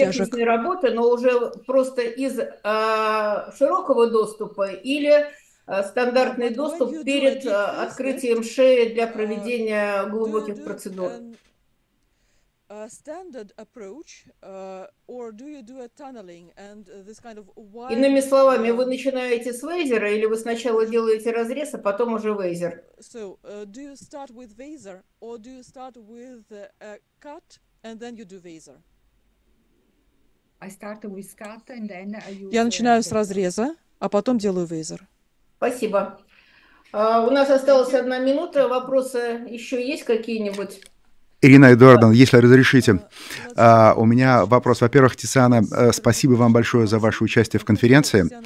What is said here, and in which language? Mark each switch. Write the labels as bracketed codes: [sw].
[ru] Поверхностной работы, но уже просто из широкого доступа или стандартный доступ перед открытием шеи для проведения глубоких процедур? [en] a standard approach, or do you do a tunneling and this kind of wide... [ru] Иными словами, вы начинаете с вейзера или вы сначала делаете разрез, а потом уже вейзер? [en] So, do you start with vaser or do you start with a cut and then you do vaser? I start with cut and then I use... [ru] Я начинаю с разреза, а потом делаю вейзер. Спасибо. У нас осталась одна минута. Вопросы еще есть какие-нибудь? Ирина Эдуардовна, если разрешите, у меня вопрос. Во-первых, Тисана, спасибо вам большое за ваше участие в конференции.